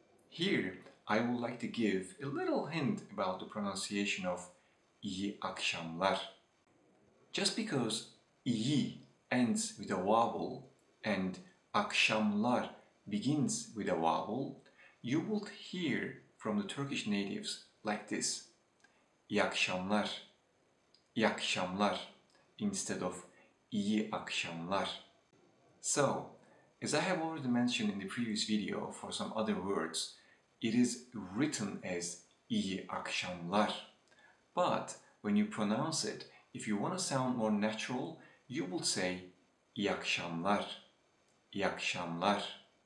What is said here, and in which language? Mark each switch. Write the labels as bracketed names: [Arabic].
[English] Here, I would like to give a little hint about the pronunciation of iyi akşamlar. Just because iyi ends with a vowel and akşamlar begins with a vowel, you will hear from the Turkish natives like this. [Turkish] İyi akşamlar, iyi akşamlar, instead of iyi akşamlar. [English] So, as I have already mentioned in the previous video for some other words, it is written as iyi akşamlar. But when you pronounce it, if you want to sound more natural, you will say iyi akşamlar, iyi akşamlar.